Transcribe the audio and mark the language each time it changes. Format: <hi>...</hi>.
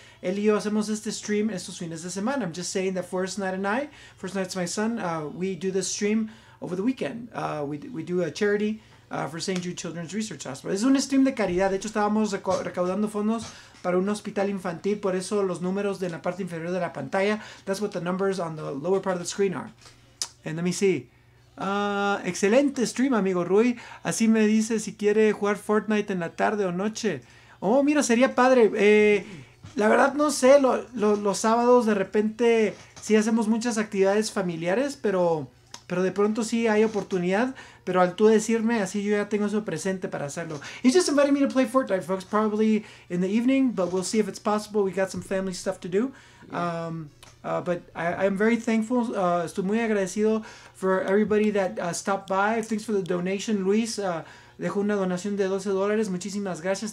<es>Él y yo hacemos este stream estos fines de semana.</es> <en>I'm just saying that Forest Knight and I... Forest Knight's my son. We do this stream over the weekend. We do a charity... for St.</en> <es>Jude Children's Research Hospital. Es un stream de caridad. De hecho, estábamos recaudando fondos para un hospital infantil. Por eso los números de la parte inferior de la pantalla.</es> <en>That's what the numbers on the lower part of the screen are. And let me see.</en> <es>Excelente stream, amigo Rui. Así me dice si quiere jugar Fortnite en la tarde o noche. Oh, mira, sería padre. La verdad, no sé. Los sábados, de repente, sí hacemos muchas actividades familiares, pero de pronto sí hay oportunidad. Pero al tú decirme, así yo ya tengo eso presente para hacerlo.</es> <en>He's just inviting me to play Fortnite, folks, probably in the evening, but we'll see if it's possible. We got some family stuff to do. But I'm very thankful.</en> <es>Estoy muy agradecido</es> <en>for everybody that stopped by. Thanks for the donation, Luis.</en> <es>Dejó una donación de $12. Muchísimas gracias.</es>